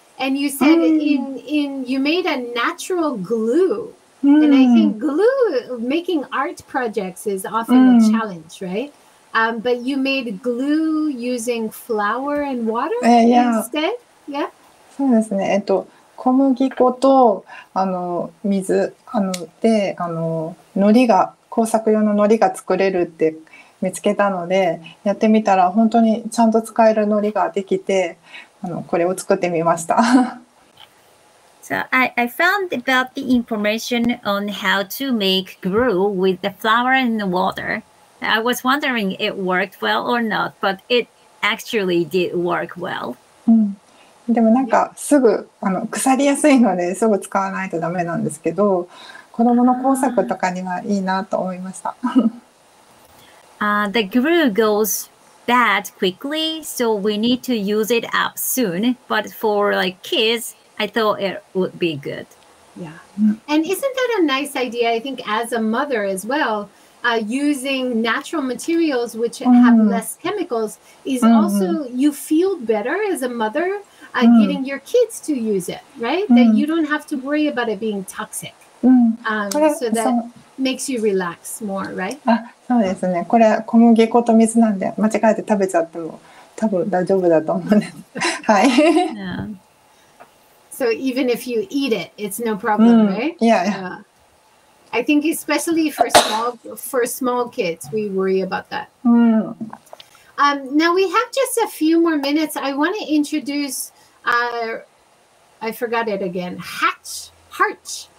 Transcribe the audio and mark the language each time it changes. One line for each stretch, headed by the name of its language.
English: And you said you made a natural glue. And I think glue, making art projects is often a challenge, right? But you made glue using flour and water instead? Yeah.
Japanese: そうですね。小麦粉と水で糊が、工作用の糊が作れるって見つけたのでやってみたら本当にちゃんと使えるのりができてこれを作ってみました。
English: So I found about the information on how to make glue with the flour and the water. I was wondering it worked well or not, but it actually did work well.
Japanese: でもなんかすぐ腐りやすいのですぐ使わないとダメなんですけど、子供の工作とかにはいいなと思いました。
English: The glue goes bad quickly, so we need to use it up soon. But for like kids, I thought it would be good. Yeah. And isn't that a nice idea, I think, as a mother as well, using natural materials which have less chemicals is also, you feel better as a mother getting your kids to use it, right? That you don't have to worry about it being toxic. So that makes you relax more, right?
Japanese: そうですね。これ小麦粉と水なんで、間違えて食べちゃっても多分大丈夫だと思うね。はい。
English: So even if you eat it, it's no problem, right? Yeah, yeah. I think especially for small kids, we worry about that. Now we have just a few more minutes. I want to introduce I forgot it again. Hatch. Heart.